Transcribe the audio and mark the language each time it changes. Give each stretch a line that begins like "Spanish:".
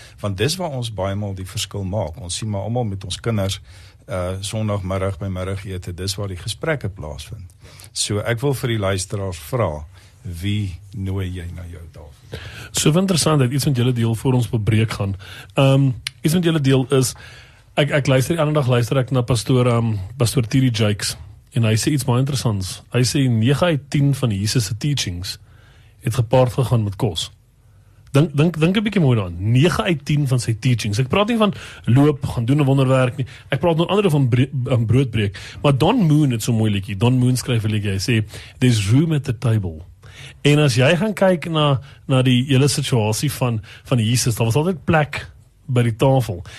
Afrikaans: Want dis waar ons baie mal die verskil maak. Ons sien maar almal met ons kinders sondagmiddag by middagete, dis waar die gesprekke plaasvind. So ek wil vir die luisteraars vra, wie nooi jy na jou tafel? So interessant dat iets met julle deel voor ons bebreek gaan. Iets met julle deel is, ek luister die ander dag luister ek na pastoor Thierry Jakes, en hy sê iets baie interessants. Hy sê 9 uit 10 van Jesus' teachings het gepaard gegaan met kos. Dink 'n bietjie mooi daaraan. 9 uit 10 van sy teachings. Ek praat nie van loop, gaan doen 'n wonderwerk nie. Ek praat nou ander van broodbreek. Maar Don Moon het so mooi liedjie. Don Moon skryf 'n liedjie. Hy sê,
English: there's room at the table.
Afrikaans: En as jy gaan kyk na die hele situasie van Jesus, daar was altyd plek by die tafel.